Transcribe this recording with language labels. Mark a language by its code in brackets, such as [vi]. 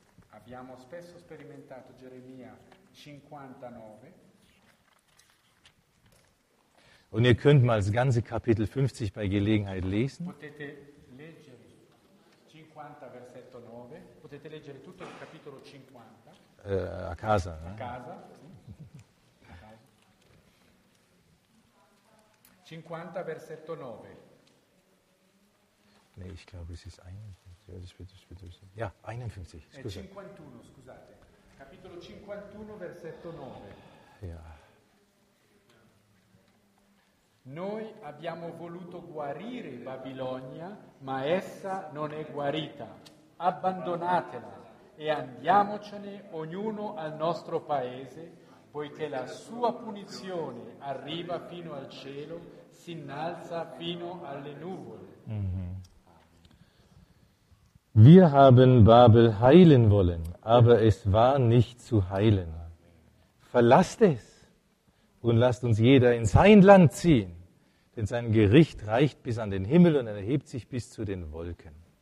[it] Abbiamo spesso sperimentato Geremia 59. [de] Und ihr könnt mal das ganze Kapitel 50 bei Gelegenheit lesen. [it] Potete leggere 50 versetto 9. Potete leggere tutto il capitolo 50. A casa. A casa. 50 versetto 9. [de] Nee, ich glaube, es ist 51. Ja, 51. [it] Scusate. [de] 51, [it] scusate. Capitolo 51 versetto 9. [de] Ja. [it] Noi abbiamo voluto guarire Babilonia, ma essa non è guarita. Abbandonatela e andiamocene ognuno al nostro paese, poiché la sua punizione arriva fino al cielo, si innalza fino alle nuvole. [de] Wir haben Babel heilen wollen, aber es war nicht zu heilen. Verlasst es und lasst uns jeder in sein Land ziehen. Denn sein Gericht reicht bis an den Himmel und erhebt sich bis zu den Wolken.